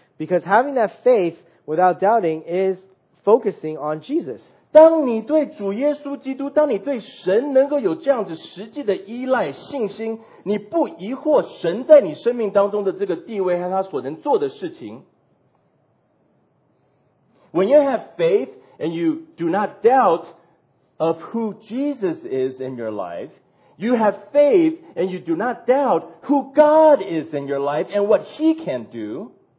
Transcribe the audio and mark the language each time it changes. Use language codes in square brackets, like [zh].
[en] Because having that faith without doubting is focusing on Jesus. [zh] 当你对主耶稣基督，当你对神能够有这样子实际的依赖、信心，你不疑惑神在你生命当中的这个地位和他所能做的事情。 [en] When you have faith and you do not doubt of who Jesus is in your life, you have faith and you do not doubt who God is in your life and what He can do.